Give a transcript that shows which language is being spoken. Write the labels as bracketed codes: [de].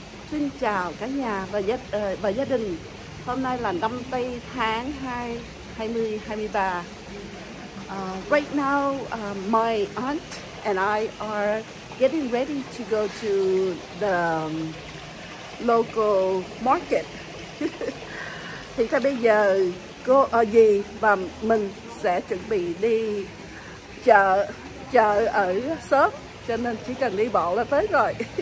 [vi] Xin chào cả nhà và gia đình. Hôm nay là năm Tây tháng 2, 2023. [en] Right now, my aunt and I are getting ready to go to the local market. [vi] Thì thôi bây giờ cô ở gì và mình sẽ chuẩn bị đi chợ ở sớm, cho nên chỉ cần đi bộ là tới rồi.